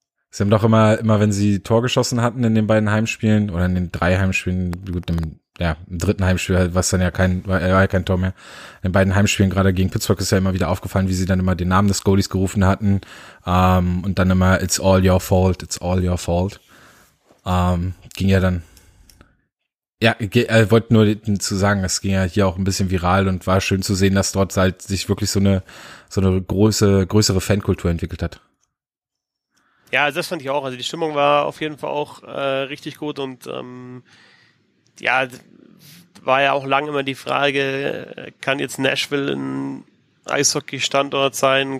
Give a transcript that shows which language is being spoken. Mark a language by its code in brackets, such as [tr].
[de] Sie haben doch immer, wenn sie Tor geschossen hatten in den beiden Heimspielen oder in den drei Heimspielen, gut, im dritten Heimspiel war ja kein Tor mehr. In den beiden Heimspielen, gerade gegen Pittsburgh, ist ja immer wieder aufgefallen, wie sie dann immer den Namen des Goalies gerufen hatten. Und dann immer, [en] it's all your fault, it's all your fault. [de] Ging ja dann. Ja, wollte nur zu sagen, es ging ja hier auch ein bisschen viral und war schön zu sehen, dass dort halt sich wirklich so eine größere Fankultur entwickelt hat. Ja, also das fand ich auch. Also die Stimmung war auf jeden Fall auch richtig gut und ja, war ja auch lange immer die Frage, kann jetzt Nashville ein Eishockey-Standort sein?